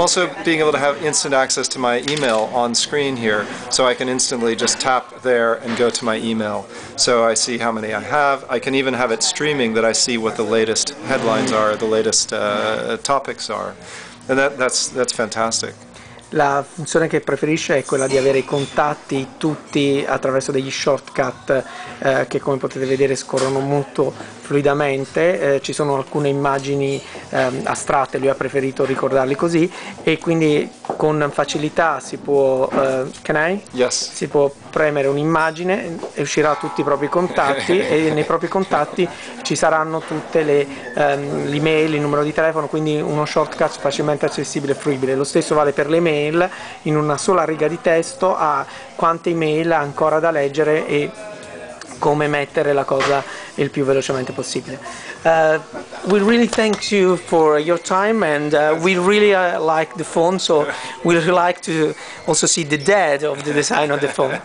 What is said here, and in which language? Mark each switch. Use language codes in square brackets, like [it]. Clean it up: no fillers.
[en] Also, being able to have instant access to my email on screen here, so I can instantly just tap there and go to my email. So I see how many I have. I can even have it streaming that I see what the latest headlines are, the latest topics are. And that's fantastic. [it] La funzione che preferisce è quella di avere i contatti tutti attraverso degli shortcut che, come potete vedere, scorrono molto fluidamente. Ci sono alcune immagini astratte, lui ha preferito ricordarli così, e quindi con facilità si può si può premere un'immagine e uscirà tutti i propri contatti e nei propri contatti ci saranno tutte le l'email, il numero di telefono, quindi uno shortcut facilmente accessibile e fruibile. Lo stesso vale per le email: in una sola riga di testo ha quante email ha ancora da leggere e come mettere la cosa il più velocemente possibile. [en] We really thank you for your time, and we really like the phone, so we'd like to also see the dad of the design of the phone.